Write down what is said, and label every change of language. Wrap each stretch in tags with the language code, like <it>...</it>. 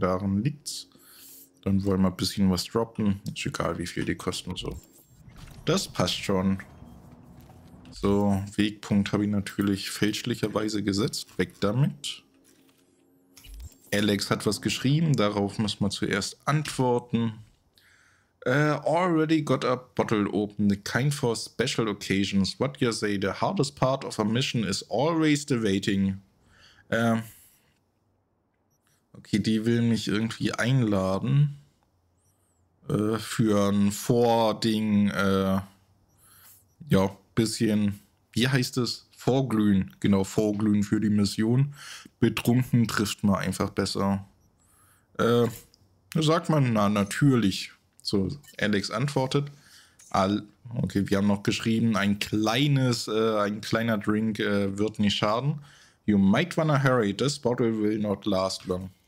<de>Daran liegt's. Dann wollen wir ein bisschen was droppen. Ist egal, wie viel die kosten. So. Das passt schon. So, Wegpunkt habe ich natürlich fälschlicherweise gesetzt. Weg damit. Alex hat was geschrieben, darauf muss man zuerst antworten.</de> <en>Already got a bottle open, the kind for special occasions. What you say, the hardest part of a mission is always the waiting.</en> <de>Okay, die will mich irgendwie einladen. Für ein Vording, ja, bisschen, wie heißt es? Vorglühen, genau, vorglühen für die Mission. Betrunken trifft man einfach besser. Sagt man, na natürlich. So, Alex antwortet. Okay, wir haben noch geschrieben, ein kleiner Drink wird nicht schaden.</de> <en>You might wanna hurry, this bottle will not last long.</en>